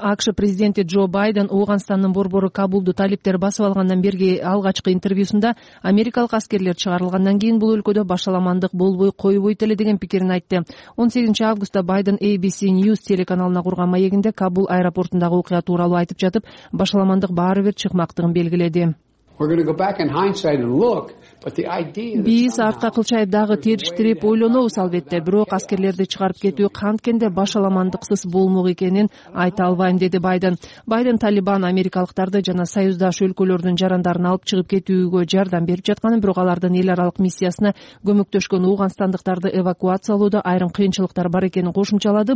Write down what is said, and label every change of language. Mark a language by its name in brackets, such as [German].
[Kyrgyz] АКШ президенти Джо Байден Ооганстандын борбору Кабулду талиптер басып алгандан берги алгачкы интервьюсунда америкалык аскерлер чыгарылгандан кийин бул өлкөдө башаламандык болбой койбойт эле деген пикирин айтты. 18 августта Байден ABC News телеканалына курган маегинде Кабул аэропортундагы окуя тууралуу айтып жатып, башаламандык баары бир чыкмактыгын белгиледи. [English] We're going to go back in hindsight and look, but the idea that [Kyrgyz] биз артка кылчайып дагы териштирип ойлонобуз албетте, бирок аскерлерди чыгарып кетүү канткенде башаламандыксыз болмок экенин айта албайм, деди Байден. Байден Талибан америкалыктарды жана союздаш өлкөлөрдүн жарандарын алып чыгып кетүүгө жардам берип жатканын, бирок алардын эл аралык миссиясына көмөктөшкөн уугандандыктарды эвакуациялоодо айрым кыйынчылыктар бар экенин кошумчалады.